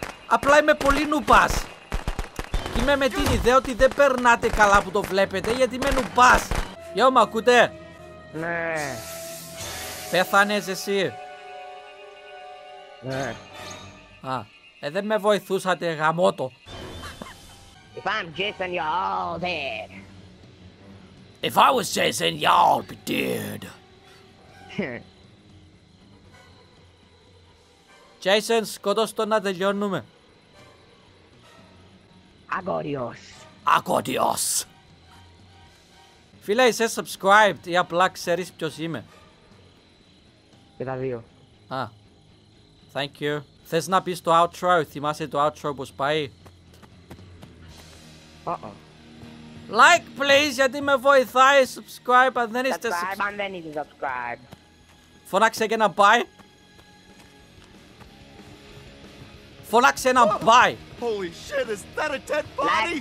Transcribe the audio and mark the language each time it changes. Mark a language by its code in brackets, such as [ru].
[el] Απλά είμαι πολύ νουπάς. Είμαι με την ιδέα ότι δεν περνάτε καλά που το βλέπετε, γιατί είμαι νουπάς. Γεια μου, ακούτε? Ναι. Πέθανες εσύ? Ναι. Α, δεν με βοηθούσατε, γαμώτο. [en] If I'm Jason, you're all dead. If I was Jason, y'all be dead. [el] Jason, σκότωσ' τον να τελειώνουμε. Αγόριος. Αγόριος. Φίλε, είσαι subscribed ή απλά ξέρεις ποιος είμαι? Και τα δύο. [en] Α. Thank you. [el] Θες να πεις το outro, θυμάσαι το outro πως πάει? Uh-oh. [en] Like please, [el] γιατί με βοηθάει, subscribe αν δεν είστε [en] subscribe. [el] Αν δεν είστε subscribe. Φώναξε και ένα bye. Φώναξε ένα bye. [en] Holy shit, is that a dead body?